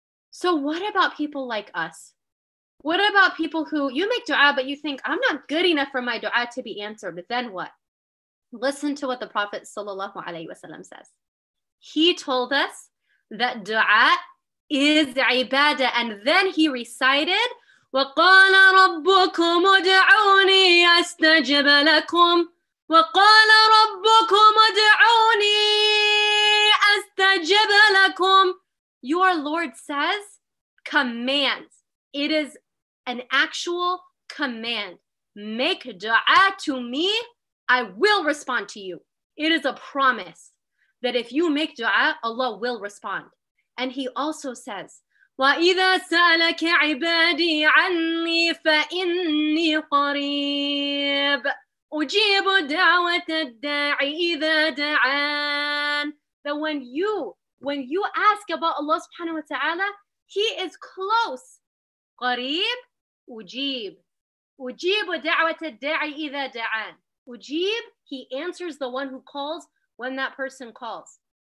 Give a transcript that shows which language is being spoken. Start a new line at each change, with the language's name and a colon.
English: So what about people like us? What about people who you make dua, but you think, I'm not good enough for my dua to be answered, but then what? Listen to what the Prophet sallallahu alaihi wasallam says. He told us that dua is ibadah. And then he recited,
Arabic: وَقَالَ رَبُّكُمُ ادْعُونِي أَسْتَجِبْ لَكُمْ وَقَالَ رَبُّكُمُ ادْعُونِي أَسْتَجِبْ لَكُمْ.
English: Your Lord says, commands. It is an actual command. Make dua to me, I will respond to you. It is a promise that if you make dua, Allah will respond. And he also says,
Arabic: وَإِذَا سَأَلَكَ عِبَادِي عَنِّي فَإِنِّي قَرِيبٌ. أُجِيبُ دَعْوَةَ الدَّاعِ إِذَا دَعَانْ.
English: That when you ask about Allah subhanahu wa ta'ala, He is close.
Arabic: قَرِيب, أُجِيب. Ujib wa da'wat al-da'i idha da'an.
English: Ujib, he answers the one who calls when that person calls.